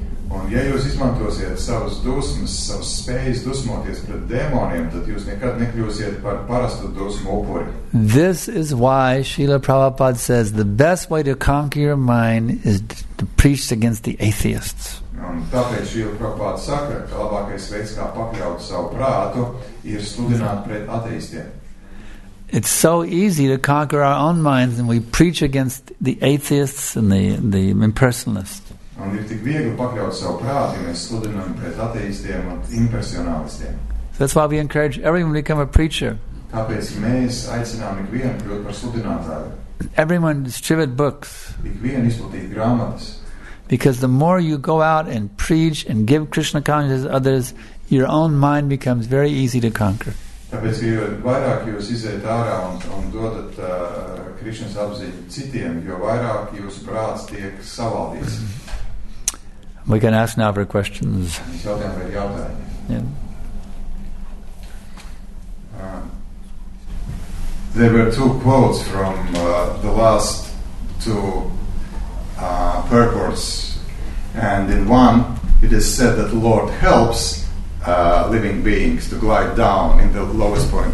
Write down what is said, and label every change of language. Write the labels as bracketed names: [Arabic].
[Latvian] Un ja jūs izmantosiet savas dusmas, savas spējas dusmoties pret dēmoniem, tad jūs nekad nekļūsiet par parastu dusmu upuri. [English] This is why Srila Prabhupada says the best way to conquer your mind is to preach against the atheists. [Latvian] Un tāpēc Srila Prabhupada saka, ka labākais veids, kā pakļaut savu prātu, ir studināt pret ateistiem. [English] It's so easy to conquer our own minds and we preach against the atheists and the impersonalists. [Latvian] Un ir tik viegli pakļaut savu prāti, mēs studinām pret ateistiem un impersonalistiem. [English] So that's why we encourage everyone to become a preacher. [Latvian] Tāpēc mēs aicinām ikvienu kļūt par sludinātāju. [English] Everyone distribute books. [Latvian] Ikvienu izplatīt grāmatas. [English] Because the more you go out and preach and give Krishna consciousness to others, your own mind becomes very easy to conquer. [Latvian] Tāpēc, ka jo vairāk jūs iziet ārā un dodat Krišnas apziņu citiem, jo vairāk jūs prāts tiek savaldīts. [English] We can ask now for questions. [Latvian] Mēs jautājām par jautājumiem. [English] There were two quotes from the last two purports. And in one, it is said that the Lord helps living beings to glide down in the lowest point.